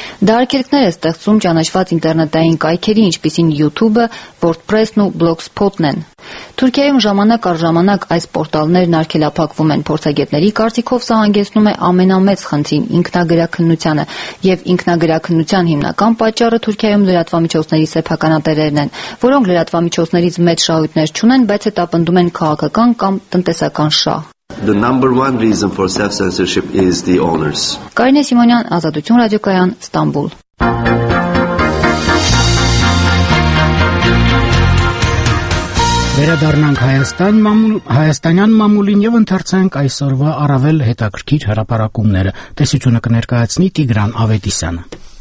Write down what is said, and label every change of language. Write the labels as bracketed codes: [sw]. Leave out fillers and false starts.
[hy] Դարքերքներ է ստեղծում ճանաչված ինտերնետային կայքերի, ինչպիսին YouTube-ը, WordPress-ն ու Blogspot-ն են։ Թուրքիայում ժամանակ առ ժամանակ այս պորտալներն արգելափակվում են փորձագետների կարծիքով, սա հանգեցնում է ամենամեծ խնդրին՝ ինքնագրաքննությանը, եւ ինքնագրաքննության հիմնական պատճառը Թուրքիայում լրատվամիջոցների սեփականատերերն են, որոնք լրատվամիջոցներից մեծ շահույթներ չունեն, բայց հետապնդում են քաղաքական կամ տնտեսական շահ։ [en] The number one reason for self-censorship is the owners. [hy] Կարինե Սիմոնյան, Ազատություն ռադիոկայան, Ստամբուլ։ Վերադառնանք Հայաստան, հայաստանյան մամուլին եւ ընթերցանք այսօրվա առավել հետաքրքիր հրապարակումները։ Տեսությունը կներկայացնի Տիգրան Ավետիսյանը։